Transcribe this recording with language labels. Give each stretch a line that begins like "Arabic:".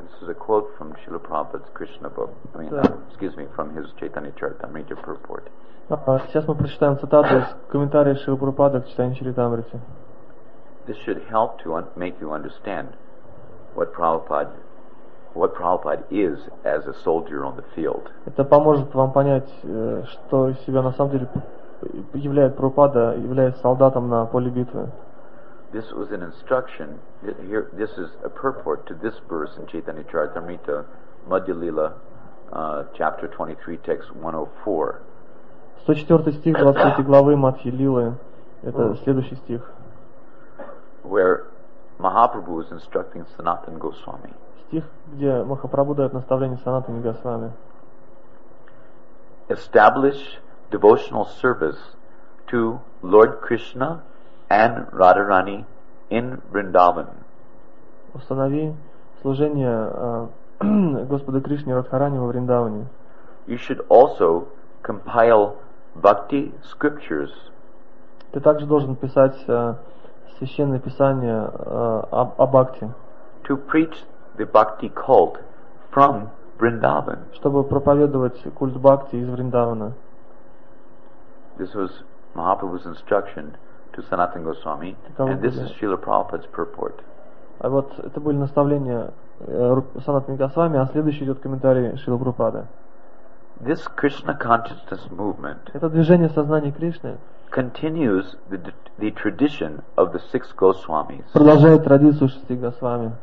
English: This is a quote from Srila Prabhupada's Krishna book. I mean, excuse me, from his Chaitanya Charitamrita purport.
Russian: Сейчас мы прочитаем цитату из комментария Шрилы Прабхупады к Чайтанья Чаритамрите.
English: This should help to make you understand what Prabhupada is as a soldier on the field.
Russian: Это поможет вам понять, что из себя на самом деле являет Прабхупада, являясь солдатом на поле битвы.
English: This was an instruction. This is a purport to this verse in Chaitanya Charitamrita, Madhya Lila, chapter 23, text 104.
Russian: 104 стих 23 главы Мадхи Лилы. Это следующий стих.
English: Where Mahaprabhu is instructing Sanatana Goswami.
Russian: Стих, где Махапрабху дает наставление Санатане Госвами.
English: Establish devotional service to Lord Krishna and Radharani in Vrindavan.
Russian: Установи служение Господу Кришне и Радхарани во Вриндаване.
English: You should also compile bhakti scriptures.
Russian: Ты также должен писать священное писание о бхакти.
English: To preach the bhakti cult from Vrindavan.
Russian: Чтобы проповедовать культ бхакти из Вриндавана.
English: This was Mahaprabhu's instruction to Sanatan Goswami, and this is Srila Prabhupada's purport.
Russian: А вот это были наставления Санатана Госвами, а следующий идет комментарий Шрилы Прабхупады.
English: This Krishna consciousness movement.
Russian: Это движение сознания Кришны.
English: Continues the tradition of the six Goswamis.
Russian: Продолжает традицию шести Госвами.